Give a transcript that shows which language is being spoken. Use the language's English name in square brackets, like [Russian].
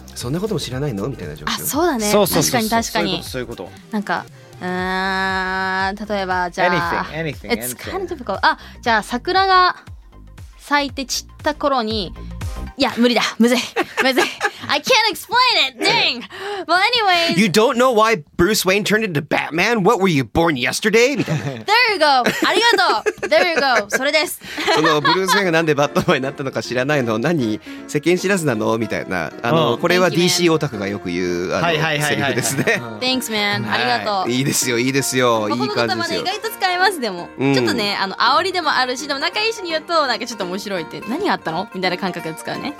[Japanese] そんなことも知らないのみたいな状況。あ、そうだね、そうそうそうそう、確かに確かに、そういうこと。なんか、例えば、じゃあ [English] anything. It's kind of difficult. [Japanese] あ、じゃあ桜が咲いて散った頃に、いや無理だ、むずい、むずい。 [English] I can't explain it! Dang! Well, anyways... You don't know why Bruce Wayne turned into Batman? What were you born yesterday? There you go! [Japanese] ありがとう [English] There you go! [Japanese] それです。そのブルース・ウェインがなんでバットマンになったのか知らないの、何世間知らずなのみたいな、あの、これは DC オタクがよく言うセリフですね。 [English] Thanks, man! [Japanese] ありがとう。いいですよ、いいですよ、いい感じですよ。僕の言葉で意外と使えます。でも、ちょっとね、あの煽りでもあるし、でも仲良い人に言うとなんかちょっと面白いって、何があったのみたいな感覚で使うね。